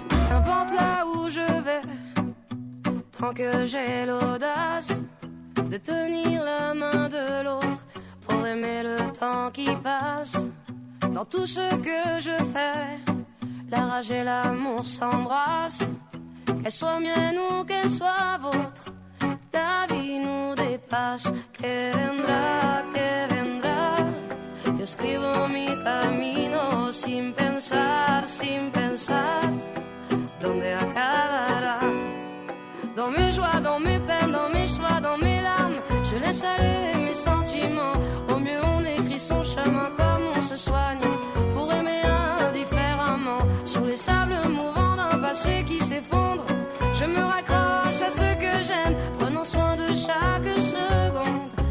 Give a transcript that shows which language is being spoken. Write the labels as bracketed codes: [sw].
[fr] Importe là où je vais, tant que j'ai l'audace de tenir la main de l'autre pour aimer le temps qui passe. Dans tout ce que je fais, la rage et l'amour s'embrassent. Qu'elle soit mienne ou qu'elle soit vôtre, la vie nous dépasse. [es] Que vendra, que vendra. Yo escribo mi camino sin pensar, sin pensar. Donde acabará. [fr] Dans mes joies, dans mes peines, dans mes choix, dans mes larmes, je laisse aller mes sentiments. Au mieux on écrit son chemin comme on se soigne, pour aimer indifféremment. Sous les sables mouvants d'un passé qui s'effondre, je me raccroche à ce que j'aime, prenant soin de chaque seconde.